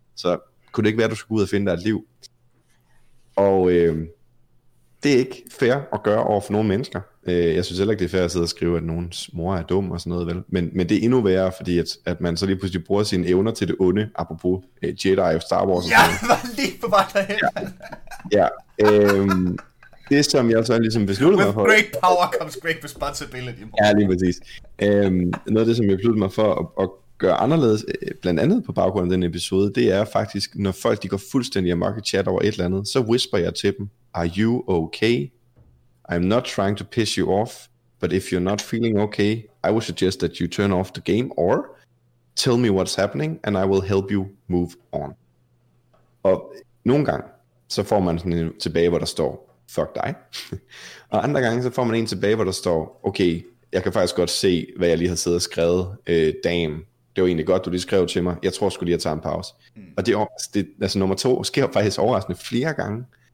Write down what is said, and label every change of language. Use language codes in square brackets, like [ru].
[da] Så kunne det ikke være, at du skulle ud og finde dig et liv? Og det er ikke fair at gøre over for nogle mennesker. Jeg synes heller ikke, det er fair at sidde og skrive, at nogens mor er dum og sådan noget, vel? Men det er endnu værre, fordi at man så lige pludselig bruger sine evner til det onde, apropos Jedi og Star Wars. Ja, var lige på vej derhen. Ja. Det, som jeg så ligesom besluttede mig for... [en] With great power comes great responsibility. [da] Ja, lige præcis. Noget af det, som jeg besluttede mig for at gøre anderledes, blandt andet på baggrund af den episode, det er faktisk, når folk de går fuldstændig amok i chat over et eller andet, så whisper jeg til dem, [en] are you okay? I'm not trying to piss you off, but if you're not feeling okay, I would suggest that you turn off the game, or tell me what's happening, and I will help you move on. [da] Og nogle gange, så får man sådan en tilbage, hvor der står, fuck dig. Og andre gange, så får man en tilbage, hvor der står, okay, jeg kan faktisk godt se, hvad jeg lige har siddet og skrevet. Damn, det var egentlig godt, du lige skrev til mig. Jeg tror sgu lige, at tage en pause. Mm. Og altså nummer to sker faktisk overraskende flere gange.